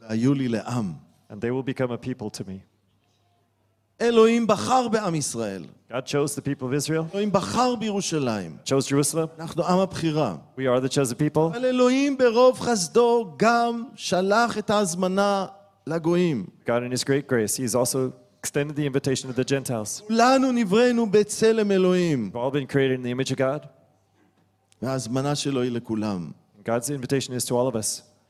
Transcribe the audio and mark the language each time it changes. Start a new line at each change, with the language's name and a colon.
English: And they will become a people to me.
Hebrew: אלוהים בחר בעם ישראל.
English: God chose the people of Israel.
Hebrew: אלוהים בחר בירושלים.
English: Chose Jerusalem.
Hebrew: אנחנו עם הבחירה.
English: We are the chosen people.
Hebrew: אבל אלוהים ברוב חסדו גם שלח את ההזמנה לגויים.
English: God in his great grace, he has also extended the invitation to the Gentiles.
Hebrew: כולנו נבראנו בצלם אלוהים.
English: We've all been created in the image of God.
Hebrew: וההזמנה שלו היא לכולם.
English: God's invitation is to all of us.